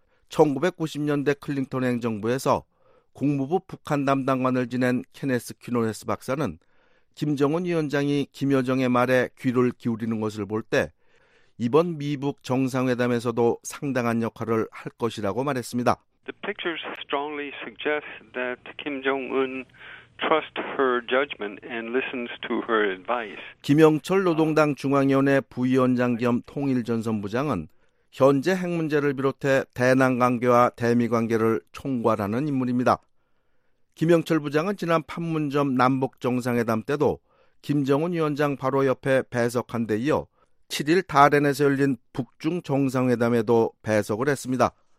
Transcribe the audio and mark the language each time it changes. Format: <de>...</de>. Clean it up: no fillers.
<ko>1990년대 클린턴 행정부에서 국무부 북한 담당관을 지낸 케네스 퀴노레스 박사는 김정은 위원장이 김여정의 말에 귀를 기울이는 것을 볼 때 이번 미북 정상회담에서도 상당한 역할을 할 것이라고 말했습니다.</ko> <en>The pictures strongly suggest that Kim Jong-un trusts her judgment and listens to her advice.</en> <ko>김영철 노동당 중앙위원회 부위원장 겸 통일전선부장은 현재 핵 문제를 비롯해 대남 관계와 대미 관계를 총괄하는 인물입니다. 김영철 부장은 지난 판문점 남북 정상회담 때도 김정은 위원장 바로 옆에 배석한 데 이어 7일 다렌에서 열린 북중 정상회담에도 배석을 했습니다.</ko>